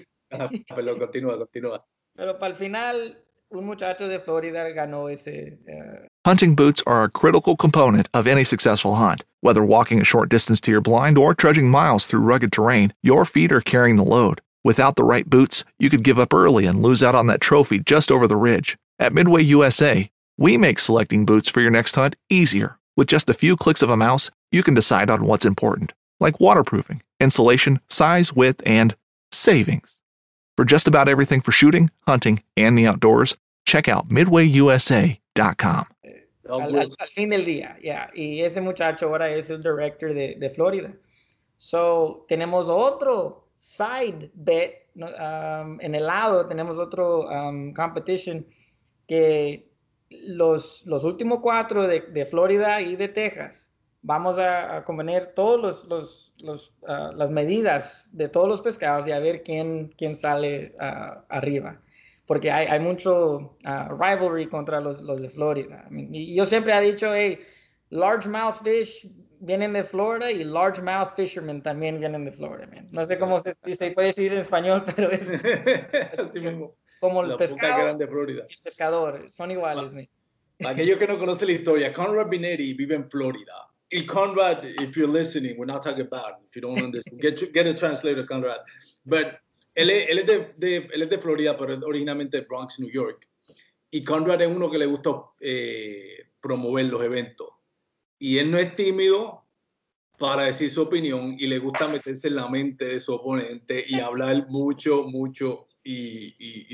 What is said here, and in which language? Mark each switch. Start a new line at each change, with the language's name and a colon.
Spanish: Pero para el final, un muchacho de Florida ganó ese...
English: Hunting boots are a critical component of any successful hunt. Whether walking a short distance to your blind or trudging miles through rugged terrain, your feet are carrying the load. Without the right boots, you could give up early and lose out on that trophy just over the ridge. At Midway USA, we make selecting boots for your next hunt easier. With just a few clicks of a mouse, you can decide on what's important, like waterproofing, insulation, size, width, and savings. For just about everything for shooting, hunting, and the outdoors, check out MidwayUSA.com.
Spanish: Al fin del día, yeah. Y ese muchacho ahora es el director de Florida. So, tenemos otro side bet, en el lado tenemos otro competition que los últimos cuatro de Florida y de Texas, vamos a convenir todos las medidas de todos los pescados y a ver quién sale arriba. Porque hay mucho rivalry contra los de Florida. Y yo siempre he dicho, hey, largemouth fish vienen de Florida y largemouth fishermen también vienen de Florida, man. No sé cómo se puede decir en español, pero es así mismo. Como el la pescado puta grande de Florida. El pescador, son iguales. Para aquellos que no conocen la historia, Conrad Benetti vive en Florida.
English: Y Conrad, if you're listening, we're not talking about, if you don't understand, get a translator, Conrad.
Spanish: But Él es de Florida, pero es originalmente de Bronx, New York. Y Conrad es uno que le gusta promover los eventos. Y él no es tímido para decir su opinión y le gusta meterse en la mente de su oponente y hablar mucho. Y